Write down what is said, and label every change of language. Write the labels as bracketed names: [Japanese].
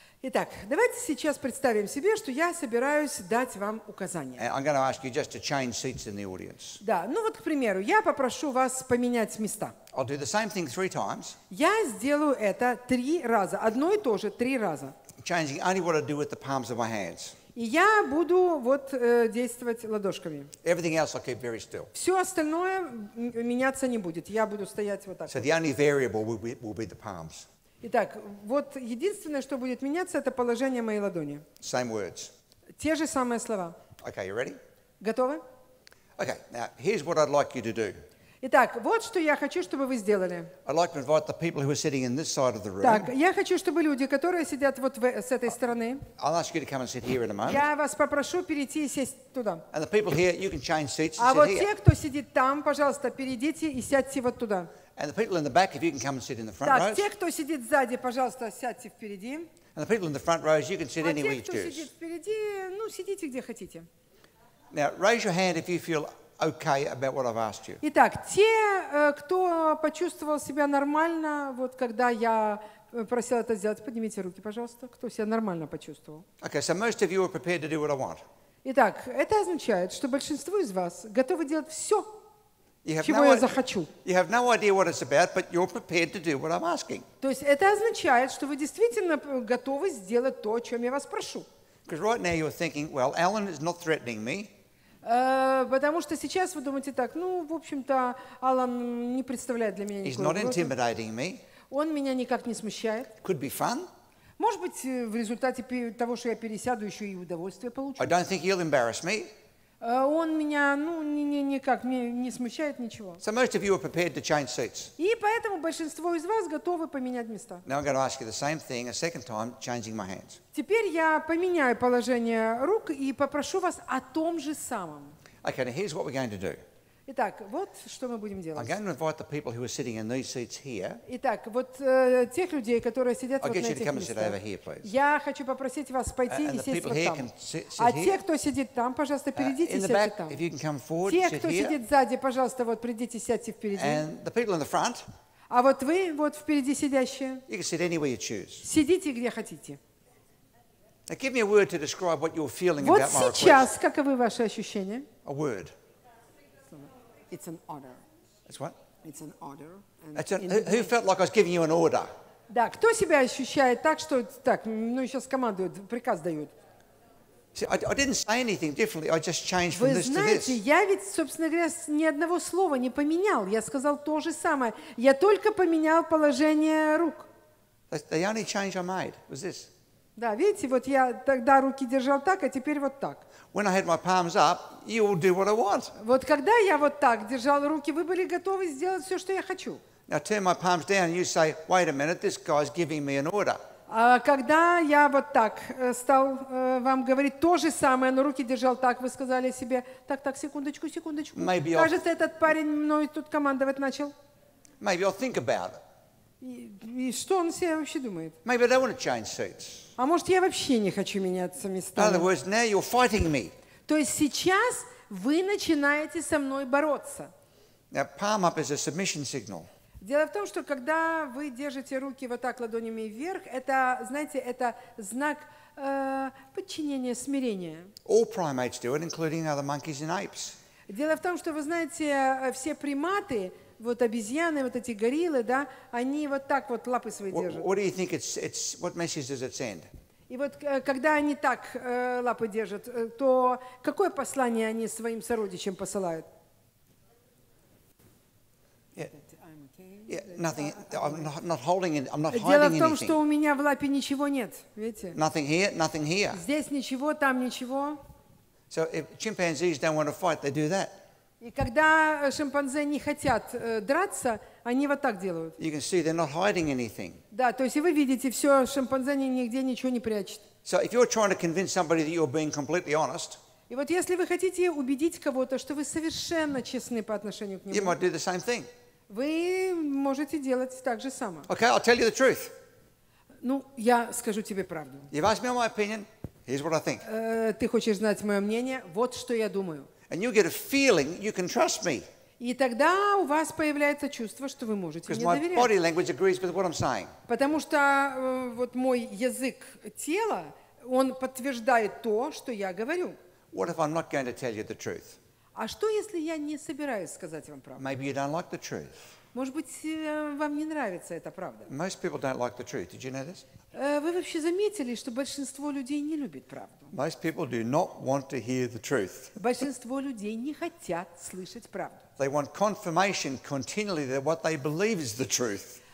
[Russian] Итак, давайте сейчас представим себе, что я собираюсь дать вам указание. [English] I'm going to ask you just to change seats in the audience. [Russian] Да, ну вот, к примеру, я попрошу вас поменять места. [English] I'll do the same thing 3 times. [Russian] Я сделаю это 3 раза, одно и то же 3 раза. [English] Changing only what I do with the palms of my hands. [Russian] И я буду вот действовать ладошками. [English] Everything else I'll keep very still. [Russian] Все остальное меняться не будет, я буду стоять вот так. [English] So the only variable will be the palms. [Russian] Итак, вот единственное, что будет меняться, это положение моей ладони. [English] Same words. [Russian] Те же самые слова. [English] Okay, you ready? [Russian] Готовы? [English] Okay, now here's what I'd like you to do. [Russian] Итак, вот что я хочу, чтобы вы сделали. [English] I'd like to invite the people who are sitting in this side of the room. [Russian] Так, я хочу, чтобы люди, которые сидят вот с этой стороны. [English] I'll ask you to come and sit here in a moment. [Russian] Я вас попрошу перейти и сесть туда. [English] And the people here, you can change seats. [Russian] А вот те, кто сидит там, пожалуйста, перейдите и сядьте вот туда. [English] And the people in the back, if you can come and sit in the front [Russian] так, [English] rows. [Russian] Так, те, кто сидит сзади, пожалуйста, сядьте впереди. [English] And the people in the front rows, you can sit [Russian] а [English] anywhere you choose. [Russian] А те, кто сидит впереди, ну, сидите где хотите. [English] Now raise your hand if you feel okay about what I've asked you. [Russian] Итак, те, кто почувствовал себя нормально, вот когда я просил это сделать, поднимите руки, пожалуйста, кто себя нормально почувствовал. [English] Okay, so most of you are prepared to do what I want. [Russian] Итак, это означает, что большинство из вас готовы делать все. Чего я захочу. [English] You have no idea what it's about, but you're prepared to do what I'm asking. [Russian] То есть это означает, что вы действительно готовы сделать то, о чем я вас прошу. [English] Because right now you're thinking, well, Alan is not threatening me. [Russian] Потому что сейчас вы думаете так, ну, в общем-то, Алан не представляет для меня никакой угрозы. [English] He's not intimidating me. [Russian] Он меня никак не смущает. [English] Could be fun. [Russian] Может быть, в результате того, что я пересяду, еще и удовольствие получу. [English] I don't think he'll embarrass me. [Russian] Он меня, ну, никак не смущает ничего. [English] So most of you are prepared to change seats. [Russian] И поэтому большинство из вас готовы поменять места. [English] Now I'm going to ask you the same thing a second time, changing my hands. [Russian] Теперь я поменяю положение рук и попрошу вас о том же самом. [English] Okay, now here's what we're going to do. [Russian] Итак, вот что мы будем делать. [English] I'm going to invite the people who are sitting in these seats here. [Russian] Итак, вот тех людей, которые сидят вот на этих местах. [English] I'll get you to come and sit over here, please. [Russian] Я хочу попросить вас пойти и сесть вот там. [English] And the people here can sit [Russian] а те, кто сидит там, пожалуйста, перейдите и сядьте [English] back, [Russian] там. [English] If you can come forward, [Russian] те, кто сидит сзади, пожалуйста, вот придите и сядьте впереди. [English] And the people in the front. [Russian] А вот вы, вот впереди сидящие. [English] You can sit anywhere you choose. [Russian] Сидите где хотите. [English] Now give me a word to describe what you're feeling [Russian] вот [English] about my request. [Russian] Вот сейчас, каковы ваши ощущения? [English] A word. It's an order. It's what? It's an order. And who felt like I was giving you an order? [Russian] Да, кто себя ощущает так, что так, ну сейчас командуют, приказ дают. [English] See, I didn't say anything differently. I just changed [Russian] Вы [English] from this [Russian] знаете, [English] to this. [Russian] Я ведь, собственно говоря, ни одного слова не поменял. Я сказал то же самое. Я только поменял положение рук. [English] The only change I made was this. [Russian] Да, видите, вот я тогда руки держал так, а теперь вот так. [English] When I had my palms up, you will do what I want. [Russian] Вот когда я вот так держал руки, вы были готовы сделать все, что я хочу. [English] Now turn my palms down, you say, wait a minute, this guy's giving me an order. [Russian] А когда я вот так стал вам говорить то же самое, но руки держал так, вы сказали себе, так, секундочку, секундочку. [English] Maybe [Russian] кажется, [English] I'll... [Russian] этот парень мной тут командовать начал. [English] Maybe I'll think about it. [Russian] И что он себе вообще думает? [English] Maybe I don't want to change seats. [Russian] А может, я вообще не хочу меняться местами? [English] In other words, now you're fighting me. [Russian] То есть сейчас вы начинаете со мной бороться. [English] Now, palm up is a submission signal. [Russian] Дело в том, что когда вы держите руки вот так ладонями вверх, это, знаете, это знак подчинения, смирения. [English] All primates do it, including other monkeys and apes. [Russian] Дело в том, что, вы знаете, все приматы... Вот обезьяны, вот эти гориллы, да, они вот так вот лапы свои держат. [English] What do you think it's what message does it send? [Russian] И вот когда они так лапы держат, то какое послание они своим сородичам посылают? [English] Nothing. I'm not holding it. I'm not hiding [Russian] Дело в том, [English] anything. [Russian] Что у меня в лапе ничего нет, видите? [English] Nothing here, nothing here. [Russian] Здесь ничего, там ничего. [English] So if chimpanzees don't want to fight, they do that. [Russian] И когда шимпанзе не хотят драться, они вот так делают. [English] You can see they're not hiding anything. [Russian] Да, то есть и вы видите, все шимпанзе нигде ничего не прячет. [English] So if you're trying to convince somebody that you're being completely honest. [Russian] И вот если вы хотите убедить кого-то, что вы совершенно честны по отношению к нему. [English] You might do the same thing. [Russian] Вы можете делать так же самое. [English] Okay, I'll tell you the truth. [Russian] Ну, я скажу тебе правду. [English] You've asked me my opinion. Here's what I think. [Russian] Ты хочешь знать мое мнение? Вот что я думаю. [English] And you get a feeling you can trust me. [Russian] И тогда у вас появляется чувство, что вы можете мне доверять. [English] Because my body language agrees with what I'm saying. [Russian] Потому что вот мой язык тела, он подтверждает то, что я говорю. [English] What if I'm not going to tell you the truth? [Russian] А что если я не собираюсь сказать вам правду? [English] Maybe you don't like the truth. [Russian] Может быть, вам не нравится эта правда. [English] Most people don't like the truth. Did you know this? [Russian] Вы вообще заметили, что большинство людей не любит правду? [English] Most people do not want to hear the truth. [Russian] Большинство людей не хотят слышать правду. [English] They want confirmation continually that what they believe is the truth.